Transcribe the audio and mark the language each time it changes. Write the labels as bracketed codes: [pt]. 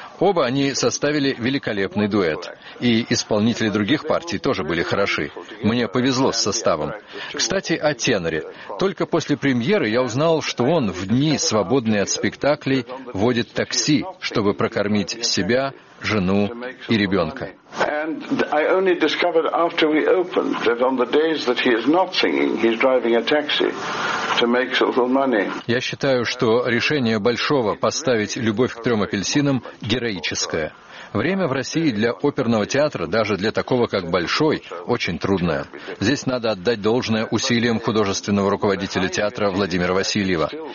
[ru] Оба они составили великолепный дуэт. И исполнители других партий тоже были хороши. Мне повезло с составом. Кстати, о теноре. Только после премьеры я узнал, что он в дни, свободные от спектаклей, водит такси, чтобы прокормить себя, жену и ребенка. [en] And I only discovered after we opened that on the days that he is not singing, he's driving a taxi to make a little money. [ru] Я считаю, что решение Большого поставить «Любовь к трем апельсинам» героическое. Время в России для оперного театра, даже для такого, как Большой, очень трудное. Здесь надо отдать должное усилиям художественного руководителя театра Владимира Васильева.